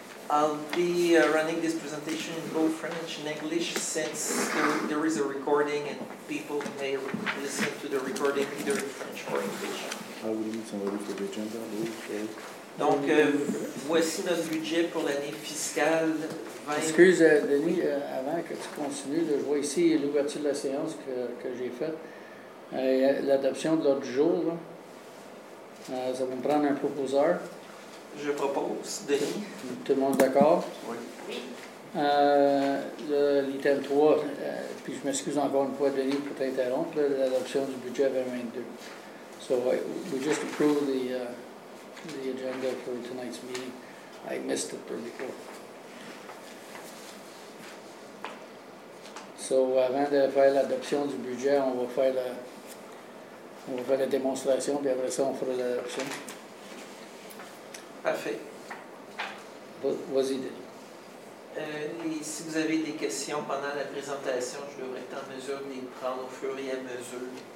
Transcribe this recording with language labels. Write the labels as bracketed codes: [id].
[en] I'll be running this presentation in both French and English since there is a recording and people may listen to the recording either in French or English. [fr] Ah, vous voulez [en] somebody for the agenda? Okay. [fr] Donc, voici notre budget pour l'année fiscale 2020. Excuse, Denis, avant que tu continues, je vois ici l'ouverture de la séance que j'ai faite. L'adoption de l'ordre du jour, là. Ça va me prendre un proposeur. Je propose, Denis. Tout le monde d'accord? Oui. L'item 3, puis je m'excuse encore une fois, Denis, pour t'interrompre, l'adoption du budget 2022. [en] So, we just approved the agenda for tonight's meeting. I missed it there before. [fr] So, avant de faire l'adoption du budget, on va faire la démonstration, puis après ça, on fera l'adoption. Parfait. Vas-y, Denis. Si vous avez des questions pendant la présentation, je devrais être en mesure de les prendre au fur et à mesure.